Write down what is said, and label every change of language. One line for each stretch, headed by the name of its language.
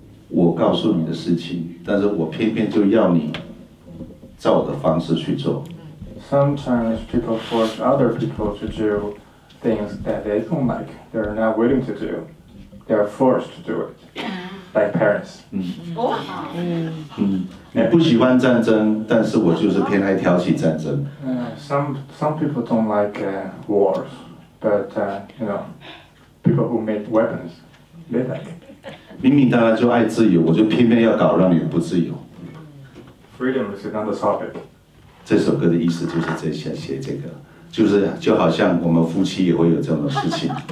Chinese: 我告诉你的事情，但是我偏偏就要你照我的方式去做。
English: Sometimes people force other people to do things that they don't like. They're not willing to do. They're forced to do it. By parents.
Chinese: 你不喜欢战争，但是我就是偏爱挑起战争。
English: Some people don't like wars, but you know, people who make weapons, they like it.
Chinese: 明明大家就爱自由，我就偏偏要搞让你们不自由。
English: Freedom is another topic.
Chinese: 这首歌的意思就是这些，写这个，就是就好像我们夫妻也会有这样的事情。